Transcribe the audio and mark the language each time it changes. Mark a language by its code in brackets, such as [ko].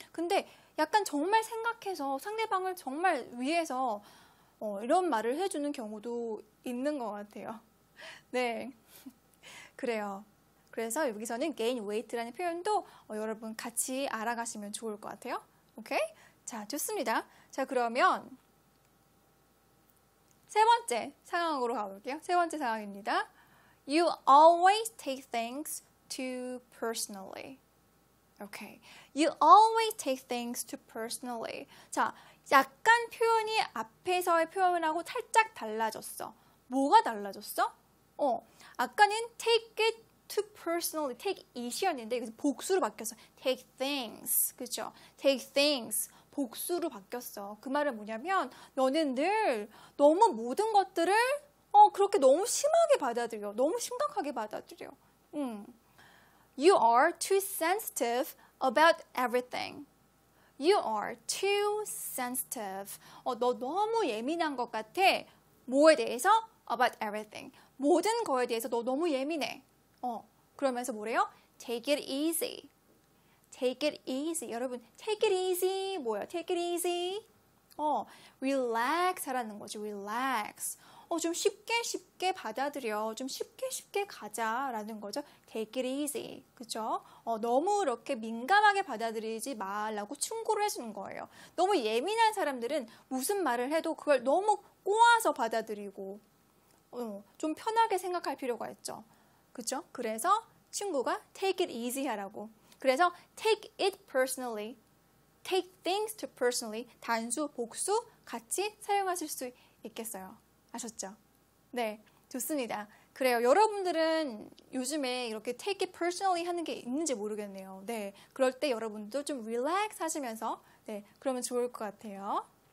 [ko] 근데 약간 정말 생각해서 상대방을 정말 위해서 이런 말을 해주는 경우도 있는 것 같아요. 네, 그래요. 그래서 여기서는 gain weight라는 표현도 여러분 같이 알아가시면 좋을 것 같아요. 오케이? 자, 좋습니다. 자, 그러면 세 번째 상황으로 가볼게요. 세 번째 상황입니다. [en] You always take things too personally. Okay. You always take things too personally. 자, [ko] 약간 표현이 앞에서의 표현하고 살짝 달라졌어. 뭐가 달라졌어? 아까는 [en] take it too personally, take it [ko] 이었는데 여기서 복수로 바뀌었어. Take things, 그죠? Take things, 복수로 바뀌었어. 그 말은 뭐냐면 너는 늘 너무 모든 것들을 그렇게 너무 심하게 받아들여. 너무 심각하게 받아들여. [en] You are too sensitive about everything. You are too sensitive. [ko] 너 너무 예민한 것 같아. 뭐에 대해서? [en] About everything. [ko] 모든 거에 대해서 너 너무 예민해. 그러면서 뭐래요? [en] Take it easy. Take it easy. 여러분, take it easy. 뭐야? Take it easy. [ko] Relax 하라는 거지. Relax. 좀 쉽게 쉽게 받아들여. 좀 쉽게 쉽게 가자라는 거죠. [en] Take it easy. 그죠? [ko] 너무 이렇게 민감하게 받아들이지 말라고 충고를 해주는 거예요. 너무 예민한 사람들은 무슨 말을 해도 그걸 너무 꼬아서 받아들이고 좀 편하게 생각할 필요가 있죠. 그죠? 그래서 친구가 [en] take it easy [ko] 하라고. [en] 그래서 take it personally. Take things too personally. [ko] 단수, 복수 같이 사용하실 수 있겠어요. 아셨죠? 네, 좋습니다. 그래요. 여러분들은 요즘에 이렇게 [en] take it personally [ko] 하는 게 있는지 모르겠네요. 네, 그럴 때 여러분도 좀 relax 하시면서 네, 그러면 좋을 것 같아요.